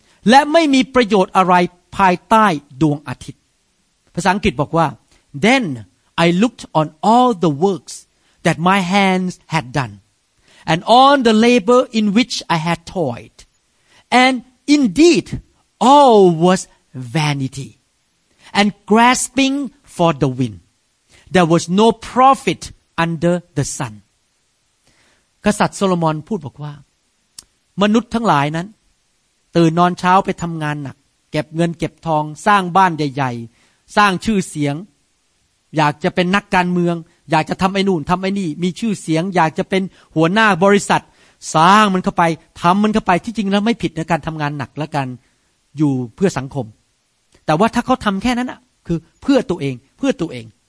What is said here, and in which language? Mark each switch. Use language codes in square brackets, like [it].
[th] และไม่มีประโยชน์อะไรภายใต้ดวงอาทิตย์ภาษาอังกฤษบอกว่า [en] thenI looked on all the works that my hands had done, and on the labor in which I had toiled, and indeed all was vanity, and grasping for the wind. There was no profit under the sun. [th] กษัตริย์โซโลมอนพูดบอกว่ามนุษย์ทั้งหลายนั้นตื่นนอนเช้าไปทำงานหนักเก็บเงินเก็บทองสร้างบ้านใหญ่ๆสร้างชื่อเสียงอยากจะเป็นนักการเมืองอยากจะทำไอ้นู่นทำไอ้นี่มีชื่อเสียงอยากจะเป็นหัวหน้าบริษัทสร้างมันเข้าไปทำมันเข้าไปที่จริงแล้วไม่ผิดในการทำงานหนักและการอยู่เพื่อสังคมแต่ว่าถ้าเขาทำแค่นั้นอ่ะคือเพื่อตัวเองเพื่อตัวเอง